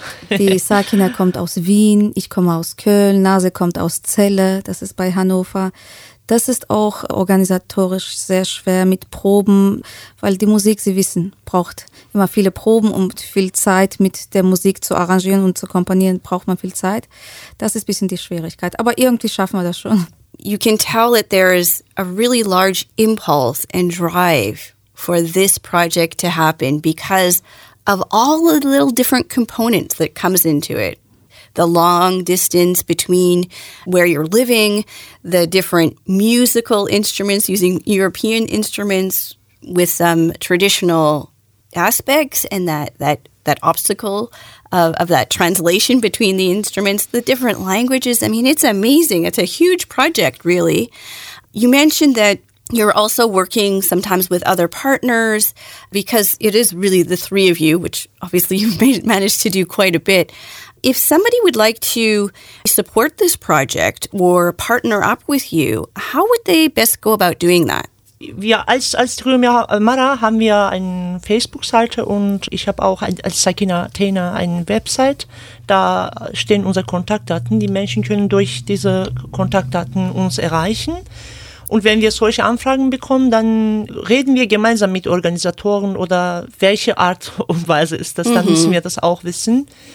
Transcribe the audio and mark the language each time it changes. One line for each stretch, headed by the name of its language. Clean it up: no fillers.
German: Die Sakina kommt aus Wien, ich komme aus Köln, Nase kommt aus Celle, das ist bei Hannover. Das ist auch organisatorisch sehr schwer mit Proben, weil die Musik, Sie wissen, braucht immer viele Proben und viel Zeit mit der Musik zu arrangieren und zu komponieren, braucht man viel Zeit. Das ist ein bisschen die Schwierigkeit, aber irgendwie schaffen wir das schon.
English: You can tell that there is a really large impulse and drive for this project to happen because of all the little different components that comes into it. The long distance between where you're living, the different musical instruments using European instruments with some traditional aspects and that obstacle of that translation between the instruments, the different languages. I mean, it's amazing. It's a huge project, really. You mentioned that you're also working sometimes with other partners because it is really the three of you, which obviously you've managed to do quite a bit. If somebody would like to support this project or partner up with you, how would they best go about doing that?
German: Wir als Trio Mara haben wir eine Facebook-Seite und ich habe auch als Sakina Tena eine Website. Da stehen unsere Kontaktdaten. Die Menschen können durch diese Kontaktdaten uns erreichen. Und wenn wir solche Anfragen bekommen, dann reden wir gemeinsam mit Organisatoren oder welche Art und Weise ist das, dann müssen wir das auch wissen.